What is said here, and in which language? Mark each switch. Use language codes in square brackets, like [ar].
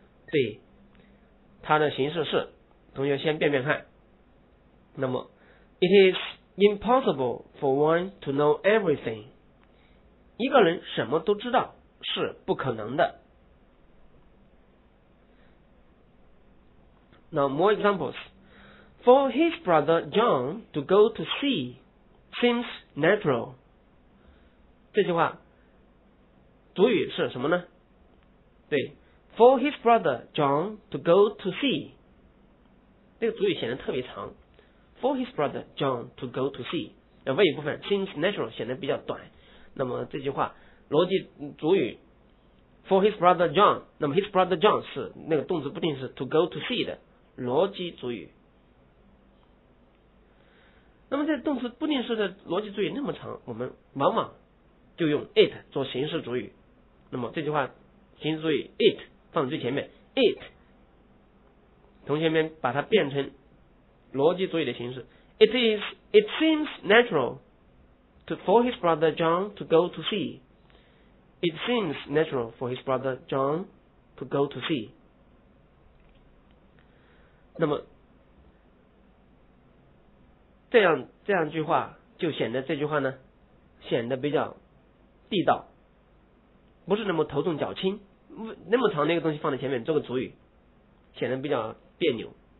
[zh] 对，它的形式是，同学先变变看，那么 it isImpossible for one to know everything，一个人什么都知道是不可能的。 [en] Now more examples， For his brother John to go to sea seems natural，这句话主语是什么呢？对， For his brother John to go to sea，这个主语显得特别长， For his brother John to go to sea， 谓语部分 seems natural 显得比较短。那么这句话逻辑主语 for his brother John， 那么 his brother John 是那个动词不定式 to go to see 的逻辑主语。 [zh] 那么在动词不定式的逻辑主语那么长，我们往往就用 it 做形式主语。那么这句话形式主语 it 放在最前面， it 同学们把它变成逻辑主语的形式。 [en] It seems natural to, for his brother John to go to see。 It seems natural for his brother John to go to sea。 [zh] 那么这样句话就显得这句话呢显得比较地道，不是那么头重脚轻，那么长的一个东西放在前面做个主语显得比较别扭。